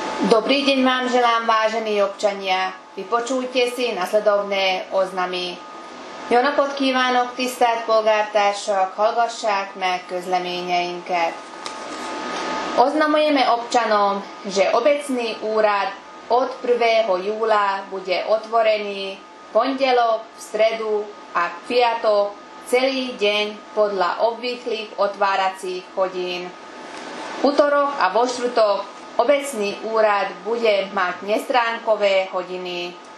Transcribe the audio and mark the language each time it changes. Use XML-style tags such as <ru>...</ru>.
<sk>Dobrý deň vám želám, vážení občania. Vypočujte si nasledovné oznamy.</sk> <hu>Jóna podkívánok tisztelt polgártársak, hallgassák meg közleményeinket.</hu> <sk>Oznamujeme občanom, že obecný úrad od 1. júla bude otvorený pondelok, v stredu a piatok celý deň podľa obvyklých otváracích hodín. Utorok a vo štvrtok obecný úrad bude mať nestránkové hodiny.</sk>